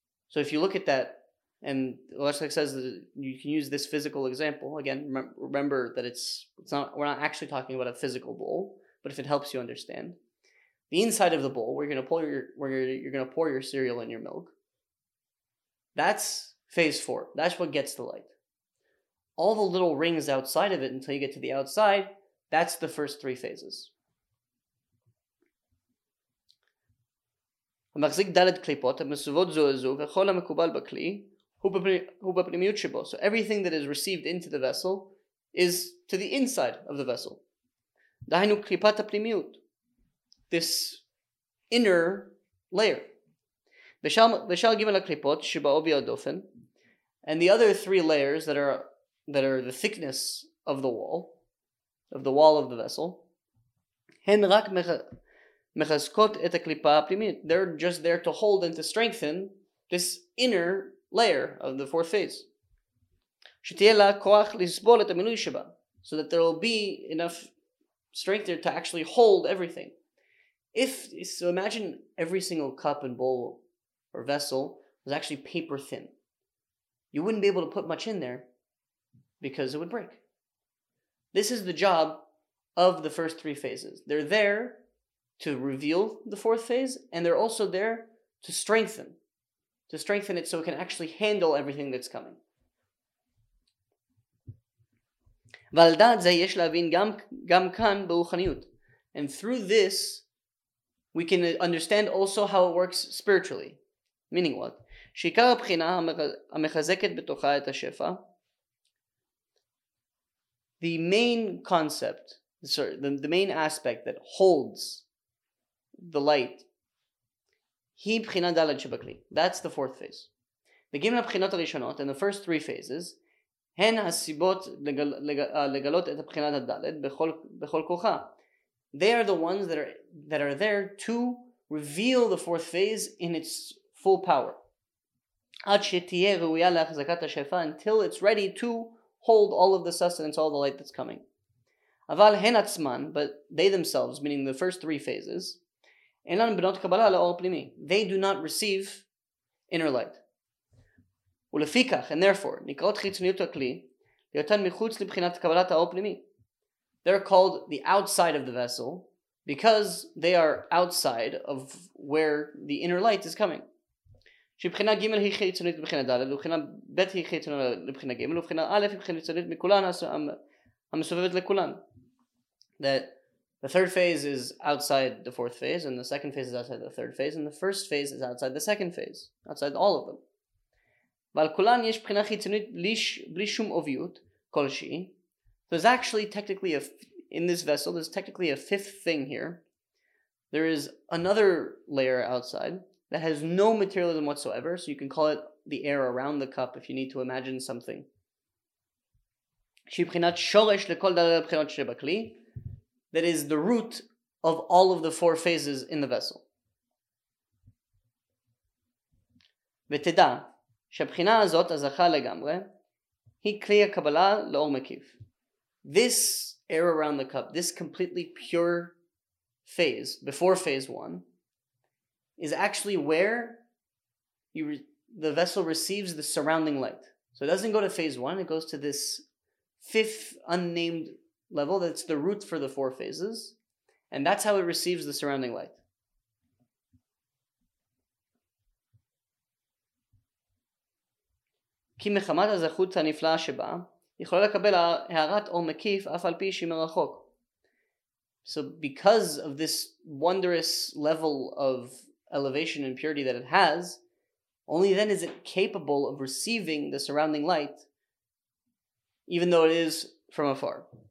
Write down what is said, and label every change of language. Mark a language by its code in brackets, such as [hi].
[en] So if you look at that, and Leshlech says that you can use this physical example, again, remember that we're not actually talking about a physical bowl, but if it helps you understand, the inside of the bowl where you're going to pour your cereal and your milk, that's phase four. That's what gets the light. All the little rings outside of it until you get to the outside, that's the first three phases. [he] המחזיק דלת קליפות, המסובות זו לזו, וכל המקובל בכלי, הוא בפנימיות שבו. [en] So everything that is received into the vessel is to the inside of the vessel. [he] דהיינו קליפת הפנימיות, [en] this inner layer. [he] ושאל גימל הקליפות שבעובי הדופן, [en] and the other three layers that are the thickness of the wall, of the wall of the vessel, [he] הן רק מחזקות את הקליפה הפנימית. [en] They're just there to hold and to strengthen this inner layer of the fourth phase. [he] שתהיה לה כוח לסבול את המילוי שבה, [en] so that there will be enough strength there to actually hold everything. So imagine every single cup and bowl or vessel was actually paper thin. You wouldn't be able to put much in there because it would break. This is the job of the first three phases. They're there to reveal the fourth phase, and they're also there to strengthen it so it can actually handle everything that's coming. [he] ולדעת זה יש להבין גם כאן ברוחניות. [en] And through this, we can understand also how it works spiritually. Meaning what? [he] שעיקר הבחינה המחזקת בתוכה את השפע. [en] The main concept, the main aspect that holds the light. [he] היא בחינה דלת שבקלי. [en] That's the fourth phase. [he] מגיעים לבחינות הראשונות, [en] and the first three phases, [he] הן הסיבות לגלות את הבחינת הדלת בכל כוחה. [en] They are the ones that are there to reveal the fourth phase in its full power. [he] עד שתהיה ראויה להחזקת השפע, [en] until it's ready to hold all of the sustenance, all the light that's coming. [he] אבל הן עצמן, [en] but they themselves, meaning the first three phases, [he] אין לנו בנות קבלה לאור פנימי. [en] They do not receive inner light. [he] ולפיכך, [en] and therefore, [he] נקראות חיצוניות הכלי, להיותן מחוץ לבחינת קבלת האור פנימי. [en] They're called the outside of the vessel because they are outside of where the inner light is coming. [he] שבחינה ג' היא חיצונית לבחינה ד', ובחינה ב' היא חיצונית לבחינה ג', ובחינה א' היא חיצונית מכולן המסובבת לכולן. [en] That the third phase is outside the fourth phase, and the second phase is outside the third phase, and the first phase is outside the second phase, outside all of them. [he] ועל כולן יש בחינה חיצונית בלי שום עוביות כלשהי. [en] There's actually technically, in this vessel, there's technically a fifth thing here. There is another layer outside that has no materialism whatsoever, so you can call it the air around the cup if you need to imagine something. [he] שבחינת שורש לכל דלת הבחינות שבכלי, [en] that is the root of all of the four phases in the vessel. [he] ותדע שהבחינה הזאת הזכה לגמרי היא כלי הקבלה לאור מקיף. [en] This air around the cup, this completely pure phase, before phase one, is actually where the vessel receives the surrounding light. So it doesn't go to phase one, it goes to this fifth unnamed level that's the root for the four phases, and that's how it receives the surrounding light. [he] כי מחמת הזכות הנפלאה שבה, יכולה לקבל הערת אור מקיף אף על פי שמרחוק. [en] So because of this wondrous level of elevation and purity that it has, only then is it capable of receiving the surrounding light, even though it is from afar.